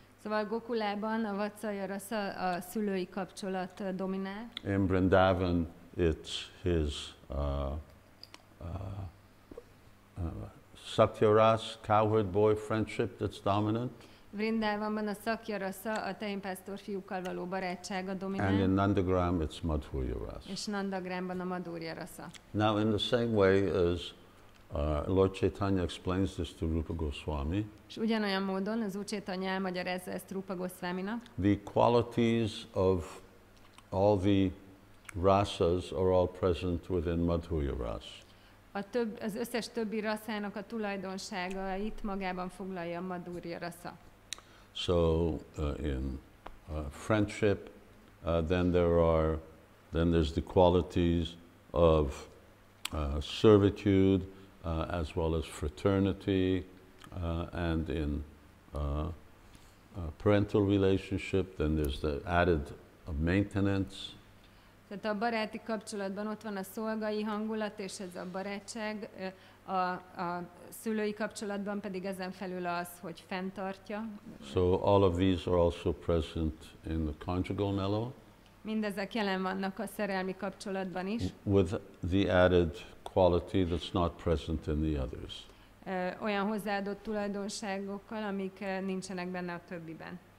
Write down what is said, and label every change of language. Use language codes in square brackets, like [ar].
[hu] Szóval Gokulában a Vatsalya Rasa a szülői kapcsolat dominál. [en] In Vṛndāvana, it's his Sakya Rasa cowherd boy friendship that's dominant. [hu] Vṛndāvanban a Sakya Rasa a tehénpásztor fiúkkal való barátsága dominál. [en] And in Nandagram, it's Madhurya Rasa. [hu] És Nandagramban a Madhurya Rasa. [en] Now, in the same way as Lord Caitanya explains this to Rupa Goswami. [hu] És ugyanolyan módon az Úr Caitanya elmagyarázza ezt Rupa Goswaminak. [en] The qualities of all the rasas are all present within Madhurya Rasa. [hu] Az összes többi rasának a tulajdonsága itt magában foglalja a Madhurya Rasa. [en] So in friendship, then there's the qualities of servitude, as well as fraternity, and in parental relationship, then there's the added maintenance. [hu] Tehát a baráti kapcsolatban ott van a szolgai hangulat, és ez a barátság, a szülői kapcsolatban pedig ezen felül az, hogy fenntartja. [en] So all of these are also present in the conjugal mellow. [hu] Mindezek jelen vannak a szerelmi kapcsolatban is. [en] With the added quality that's not present in the others. [hu] Olyan hozzáadott tulajdonságokkal, amik nincsenek benne a többiben.